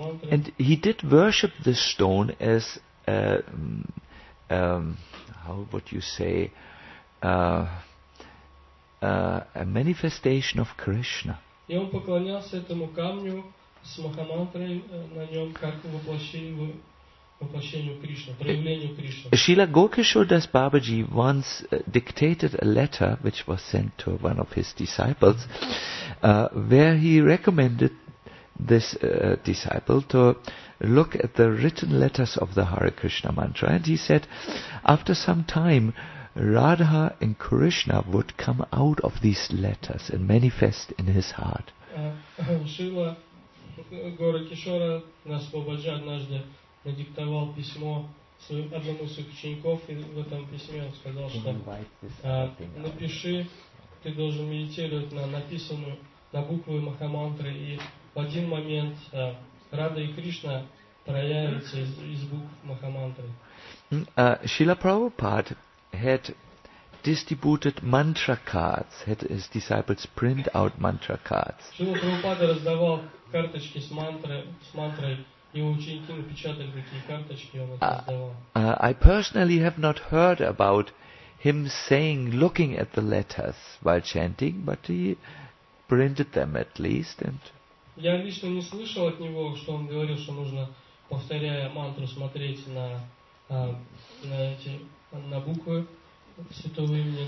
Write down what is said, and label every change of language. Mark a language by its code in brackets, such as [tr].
[en] And he did worship this stone as a how would you say, a manifestation of Krishna. [ru] И он поклонялся этому камню с Махамантрой на нем как воплощению Кришны, проявлению Кришны. [en] Srila Gokishodas Babaji once dictated a letter which was sent to one of his disciples, where he recommended this disciple to look at the written letters of the Hare Krishna mantra, and he said, after some time, Radha and Krishna would come out of these letters and manifest in his heart. [ru] Шрила Гора Кишора Наспабаджа однажды надиктовал письмо одному из своих учеников в этом письме он сказал, что напиши, ты должен медитировать на написанную на буквы Махамантры, и в один момент Рада и Кришна проявятся из букв Махамантры. [en] Шрила Прабхупада had distributed mantra cards, had his disciples print out mantra cards. [ru] Шрила Прабхупада раздавал карточки с мантрой. [en] I personally have not heard about him saying, looking at the letters while chanting, but he printed them at least. And [ru] я лично не слышал от него, что он говорил, что нужно, повторяя мантру, смотреть на эти на буквы святого имени.